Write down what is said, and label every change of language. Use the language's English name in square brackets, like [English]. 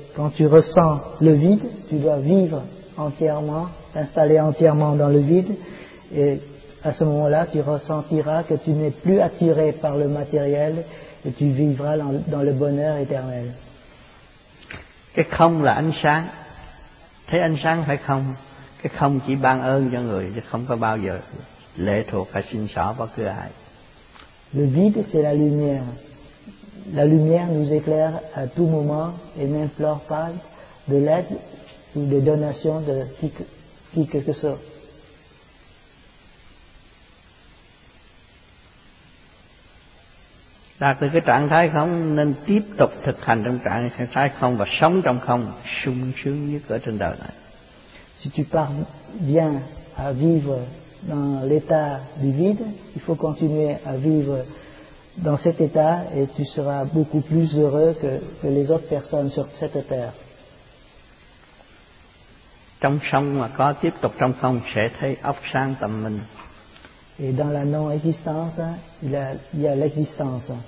[French] Quand tu ressens le vide, tu dois vivre entièrement, t'installer entièrement dans le vide. Et à ce moment-là, tu ressentiras que tu n'es plus attiré par le matériel et tu vivras dans le bonheur éternel. [Vietnamese] Cái không là ánh sáng. Thấy ánh sáng phải không? Cái không chỉ ban ơn cho người, chứ không có bao giờ lệ thuộc hay xin xỏ bất cứ ai. [French] Le vide, c'est la lumière. La lumière nous éclaire à tout moment et n'implore pas de l'aide ou de donation de qui que ce soit. [Vietnamese] Đạt được cái trạng thái không nên tiếp tục thực hành trong trạng thái không và sống trong không sung sướng nhất ở trên đời này. [French] Si tu parviens à vivre dans l'état du vide, il faut continuer à vivre dans cet état et tu seras beaucoup plus heureux que les autres personnes sur cette terre. [Vietnamese] Trong sống mà có tiếp tục trong không sẽ thấy óc sáng tâm minh. [French] Et dans la non-existence, il y a l'existence.